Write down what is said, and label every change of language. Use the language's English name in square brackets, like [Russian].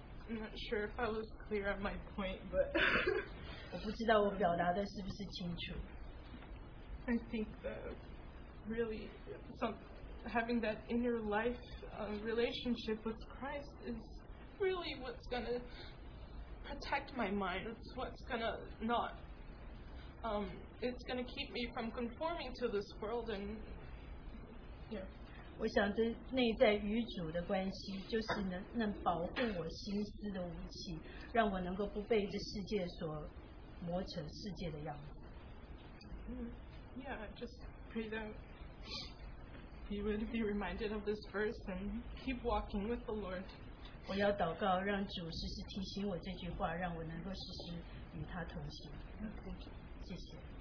[English] I'm not sure if I was clear on my point, but [Chinese] 我不知道我表达的是不是清楚。 [English] I think that really having that inner life relationship with Christ is really what's going to protect my mind. It's what's going to not it's going to keep me from conforming to this world and yeah. [Chinese] 我想这内在与主的关系就是能保护我心思的武器，让我能够不被这世界所磨成世界的样子。 [English] Yeah, just pray that he would be reminded of this verse and keep walking with the Lord. [Chinese] 我要祷告，让主时时提醒我这句话，让我能够时时与他同行。谢谢。